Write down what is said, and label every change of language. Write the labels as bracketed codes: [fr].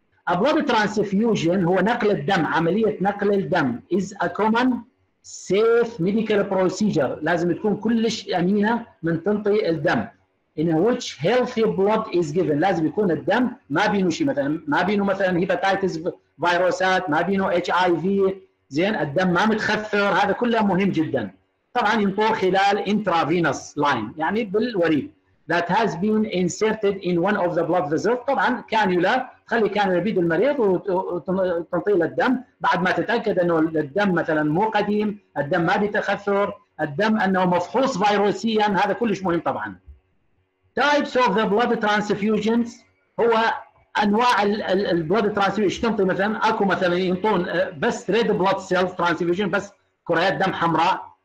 [ar] البلود ترانسفيوجن هو نقل الدم، عملية نقل الدم [en] is a common safe medical procedure, [ar] لازم تكون كلش امينه من تنطي الدم. [en] ان ويتش هيلثي بلود از جيفن، [ar] لازم يكون الدم ما بينه شيء، مثلا ما بينه مثلا هيباتايتس فيروسات، ما بينه اتش اي في، زين الدم ما متخثر، هذا كله مهم جدا. طبعا ينطوه خلال انترافينوس لاين، يعني بالوريد. [en] That has been inserted in one of the blood vessels. [ar] طبعا كانيولا، خلي كانيولا بيد المريض وتنطي له الدم بعد ما تتاكد انه الدم مثلا مو قديم، الدم ما بيتخثر، الدم انه مفحوص فيروسيا، هذا كلش مهم طبعا. [en] Types of the blood transfusions [ar] هو انواع ال blood transfusions، تنطي مثلا اكو مثلا ينطون بس [en] red blood cells transfusion، [ar] بس كريات دم حمراء.